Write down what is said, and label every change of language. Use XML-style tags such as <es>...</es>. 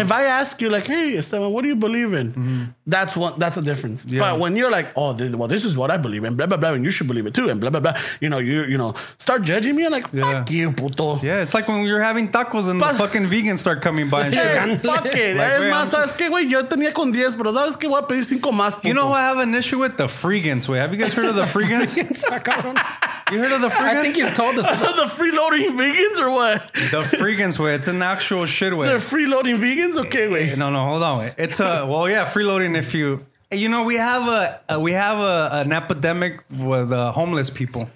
<en>If I ask you like, hey, Esteban, what do you believe in? Mm-hmm. That's a difference. Yeah. But when you're like, this is what I believe in, blah, blah, blah, and you should believe it too, and blah, blah, blah. You know, start judging me. I'm like, fuck you, puto. Yeah, it's like when you're having tacos and the fucking vegans start coming by and shit. Fuck it.</en> <es>Like, es más, sabes que, güey, yo tenía con 10, pero sabes que voy a pedir 5 más, puto.</es> <en>You know who I have an issue with? The freegans, güey. Have you guys heard of the freegans? You heard of the freegans? I think you've told us. The freeloading vegans or what? The freegans way. It's an actual shit way. They're freeloading vegans? Okay, wait. No, hold on. It's freeloading if you... You know, we have an epidemic with homeless people.</en>